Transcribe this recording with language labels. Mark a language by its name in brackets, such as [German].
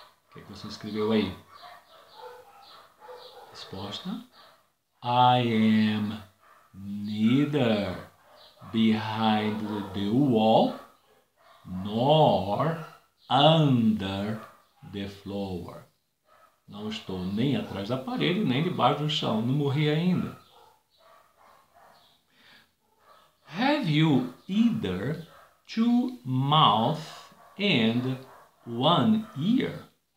[Portuguese] O que você escreveu aí? [English] Resposta: I am neither behind the wall nor under the floor. [Portuguese] Não estou nem atrás da parede, nem debaixo do chão. Não morri ainda. [English] Have you either two mouths and one ear?